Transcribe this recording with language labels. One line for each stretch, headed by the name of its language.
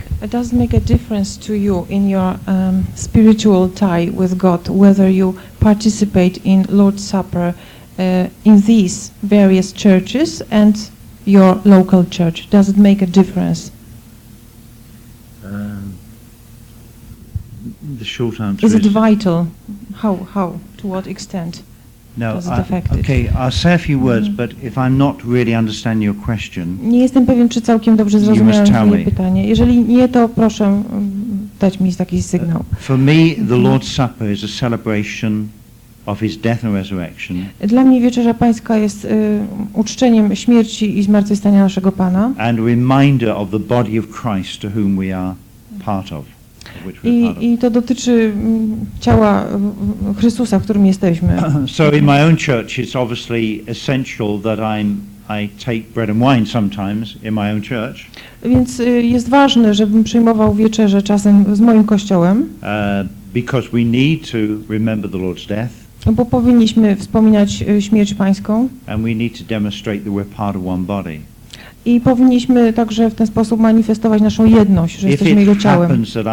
English: Does it make a difference to you in your spiritual tie with God, whether you participate in Lord's Supper in these various churches and your local church? Does it make a difference? The short answer is it vital? How? To what extent? No, does it affect okay, it? Okay, I'll say a few words, but if I'm not really understanding your question,
Polish: nie jestem pewien, czy całkiem dobrze zrozumiałem twoje pytanie. Jeżeli nie, to proszę dać mi taki sygnał.
English: For me, the Lord's Supper is a celebration of His death and resurrection.
Polish: Dla mnie Wieczerza Pańska jest uczczeniem śmierci i zmartwychwstania naszego Pana.
English: And a reminder of the body of Christ to whom we are part of.
Polish: I to dotyczy ciała Chrystusa, w którym jesteśmy.
English: So in my own church it's obviously essential that I take bread and wine sometimes in my own church.
Polish: Więc jest ważne, żebym przyjmował wieczerze czasem z moim kościołem.
English: Because we need to remember the Lord's death.
Polish: Bo powinniśmy wspominać śmierć Pańską.
English: And we need to demonstrate that we're part of one body.
Polish: I powinniśmy także w ten sposób manifestować naszą jedność, że jesteśmy Jego ciałem.